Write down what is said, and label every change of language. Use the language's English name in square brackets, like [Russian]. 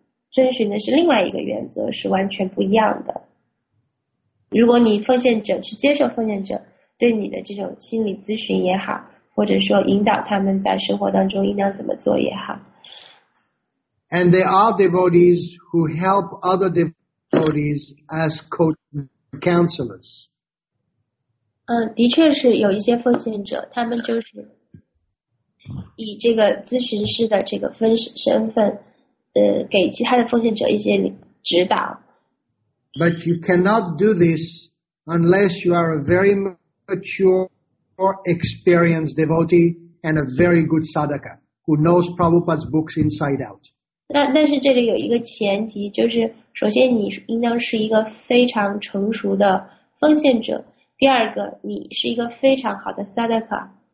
[Chinese] 不过这个说的是，就是说对于大众是这样的一种情况，但是当你去指导奉献者的时候，那就是遵循的是另外一个原则，是完全不一样的。如果你奉献者去接受奉献者对你的这种心理咨询也好，或者说引导他们在生活当中应当怎么做也好。 [English] And there are devotees who help other devotees as coach counselors. [Chinese] 的确是有一些奉献者，他们就是以这个咨询师的这个身份，给其他的奉献者一些指导。 [English] But you cannot do this unless you are a very mature or experienced devotee and a very good sadhaka who knows Prabhupada's books inside out. [Chinese] 但是这里有一个前提，就是首先你应当是一个非常成熟的奉献者，第二个你是一个非常好的 sadhaka。